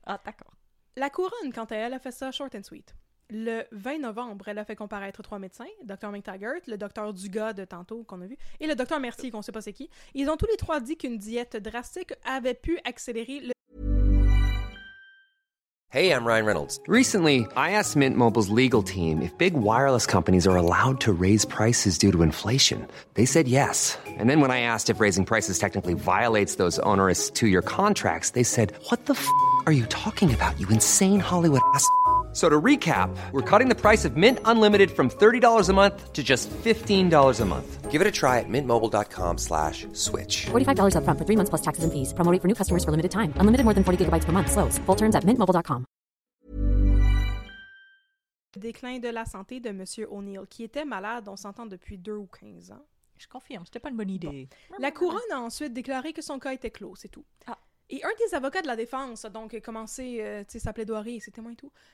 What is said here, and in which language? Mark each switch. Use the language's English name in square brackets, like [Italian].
[French] Ah, d'accord. La couronne, quant à elle, a fait ça [English] short and sweet. [French] Le 20 novembre, elle a fait comparaître 3 médecins, Dr McTaggart, le Dr Dugas de tantôt qu'on a vu, et le Dr Mercier, qu'on sait pas c'est qui. Ils ont tous les trois dit qu'une diète drastique avait pu accélérer le... [English] Hey, I'm Ryan Reynolds. Recently, I asked Mint Mobile's legal team if big wireless companies are allowed to raise prices due to inflation. They said yes. And then when I asked if raising prices technically violates those onerous 2-year contracts, they said, what the f*** are you talking about, you insane Hollywood ass f***? So to recap, we're cutting the price of Mint Unlimited from $30 a month to just $15 a month. Give it a try at mintmobile.com/switch. $45 up front for 3 months plus taxes and fees. Promo rate for new customers for limited time. Unlimited more than 40 gigabytes per month. Slows. Full terms at mintmobile.com. [French] Le déclin de la santé de M. O'Neill, qui était malade, on s'entend, depuis 2 ou 15 ans. Je confirme, c'était pas une bonne idée. Bon. La couronne a ensuite déclaré que son cas était clos, c'est tout. Ah. Et un des avocats de la défense a donc commencé sa plaidoirie, ses témoins et tout.